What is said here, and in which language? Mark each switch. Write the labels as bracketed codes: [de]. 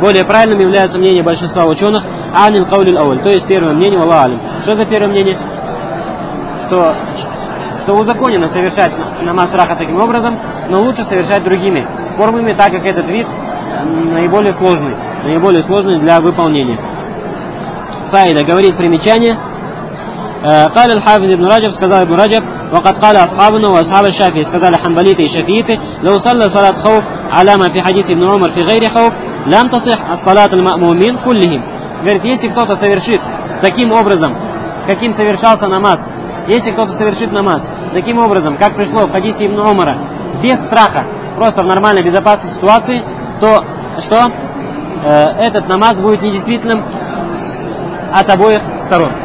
[ru] Более правильным является мнение большинства ученых, [ar] ан аль-каулю аль-ауль. [ru] То есть первое мнение, валлаху алим. Что за первое мнение? Что узаконено совершать намаз страха таким образом, но лучше совершать другими формами, так как этот вид наиболее сложный для выполнения. Файда говорит примечание. [ar] قال الحافظ ابن رجب [ru] сказал [ar] ابن رجب وقد قال اصحابنا واصحاب الشافعي [ru] сказали ханбалиты и шафииты [ar] لو صلى صلاة خوف على ما في حديث ابن عمر في غير خوف لم تصح الصلاة المأمومين كلهم. [ru] Говорит, если кто-то совершит таким образом, каким совершался намаз, если кто-то совершит намаз таким образом, как пришло в хадисе ибн Умара, без страха, просто в нормальной безопасной ситуации, то что? Этот намаз будет недействительным от обоих сторон.